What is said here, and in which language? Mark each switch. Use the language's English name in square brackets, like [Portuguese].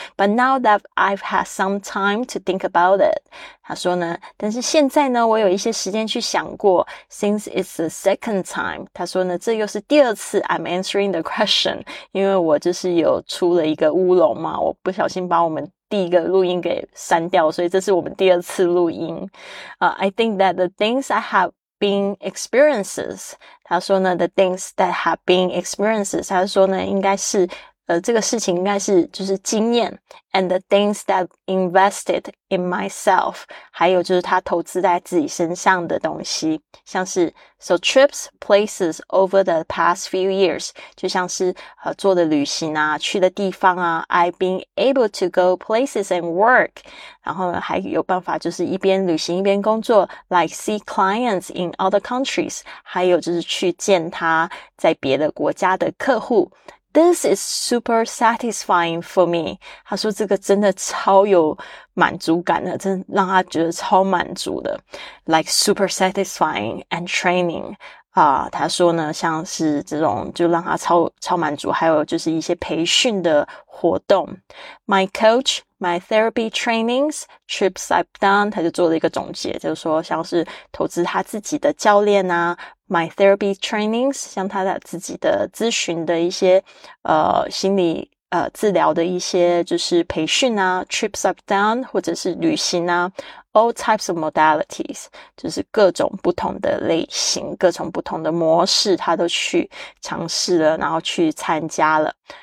[English] But now that I've had some time to think about it， [Chinese] 他说呢但是现在呢我有一些时间去想过， [English] since it's the second time， [Chinese] 他说呢这又是第二次 [English] I'm answering the question， [Chinese] 因为我就是有出了一个乌龙嘛，我不小心把我们第一个录音给删掉，所以这是我们第二次录音。 [English] I think that the things I have been experiences， [Chinese] 他说呢 [English] the things that have been experiences， [Chinese] 他说呢应该是这个事情应该是就是经验， [English] and the things that invested in myself， [Chinese] 还有就是他投资在自己身上的东西，像是 [English] so trips places over the past few years， [Chinese] 就像是做的旅行啊，去的地方啊， [English] I've been able to go places and work， [Chinese] 然后还有办法就是一边旅行一边工作， [English] like see clients in other countries， [Chinese] 还有就是去见他在别的国家的客户。 [English] This is super satisfying for me. [Chinese] 他说这个真的超有满足感的，真的让他觉得超满足的。 [English] Like super satisfying and training. [Chinese] 他说呢像是这种就让他超满足，还有就是一些培训的活动。 [English] My coach, my therapy trainings, trips I've done. [Chinese] 他就做了一个总结，就是说像是投资他自己的教练啊， [English] My therapy trainings， [Chinese] 像他的自己的咨询的一些心理治疗的一些就是培训啊， [English] trips up down [Chinese] 或者是旅行啊， [English] all types of modalities， [Chinese] 就是各种不同的类型，各种不同的模式他都去尝试了，然后去参加了。